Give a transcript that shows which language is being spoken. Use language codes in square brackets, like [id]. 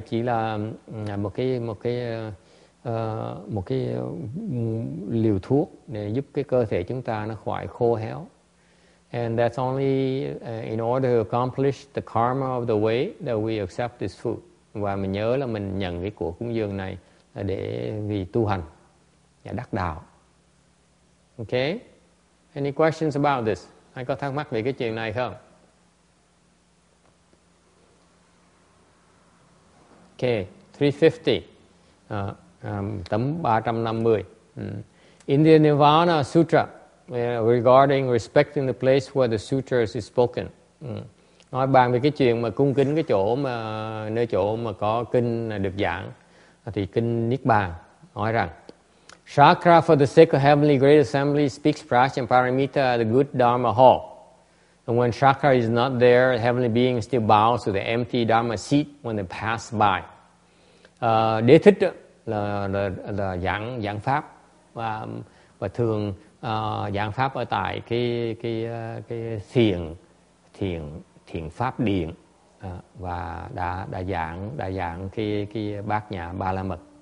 [vi] chỉ là một cái liều thuốc để giúp cái cơ thể chúng ta nó khỏi khô héo. [en] And that's only in order to accomplish the karma of the way that we accept this food. [vi] Và mình nhớ là mình nhận cái của cúng dường này là để vì tu hành và đắc đạo. [en] Okay. Any questions about this? [vi] Ai có thắc mắc về cái chuyện này không? [en] Okay, 350. [vi] tấm [en] 350. In the Nirvana Sutra, regarding respecting the place where the sutras is spoken. [vi] Nói bàn về cái chuyện mà cung kính cái chỗ mà nơi chỗ mà có kinh được giảng thì kinh Niết Bàn nói rằng [en] Chakra for the sake of heavenly great assembly speaks Prajna Paramita at the good Dharma hall. And when Chakra is not there, heavenly being still bows to the empty Dharma seat when they pass by. [vi] Đế thích là giảng pháp và thường giảng pháp ở tại cái thiền pháp điện và đã giảng cái bát nhã ba la mật.